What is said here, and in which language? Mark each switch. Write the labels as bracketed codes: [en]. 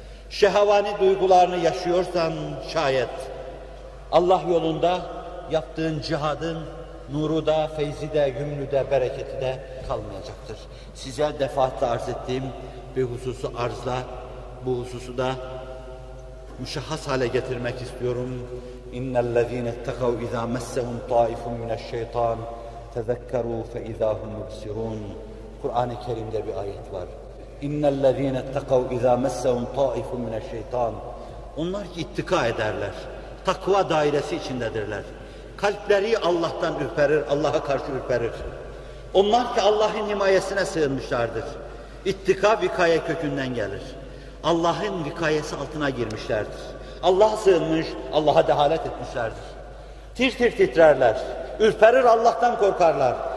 [tr] Şehvani duygularını yaşıyorsan şayet Allah yolunda yaptığın cihadın nuru da, feyzi de, yümlü de, bereketi de kalmayacaktır. Size defaatle arz ettiğim bir hususu arzla, bu hususu da müşahhas hale getirmek istiyorum. [ar] اِنَّ الَّذ۪ينَ اتَّقَوْا اِذَا مَسَّهُمْ طَائِفٌ مِنَ الشَّيْطَانِ تَذَكَّرُوا فَاِذَا هُمْ مُبْصِرُونَ [tr] Kur'an-ı Kerim'de bir ayet var. [ar] اِنَّ الَّذ۪ينَ اتَّقَوْا اِذَا مَسَّهُمْ طَائِفٌ مِنَ الشَّيْطَانِ [tr] Onlar ki ittika ederler, takva dairesi içindedirler. Kalpleri Allah'tan ürperir, Allah'a karşı ürperir. Onlar ki Allah'ın himayesine sığınmışlardır. İttika vikaye kökünden gelir. Allah'ın vikayesi altına girmişlerdir. Allah'a sığınmış, Allah'a dehalet etmişlerdir. Tir tir titrerler, ürperir Allah'tan korkarlar.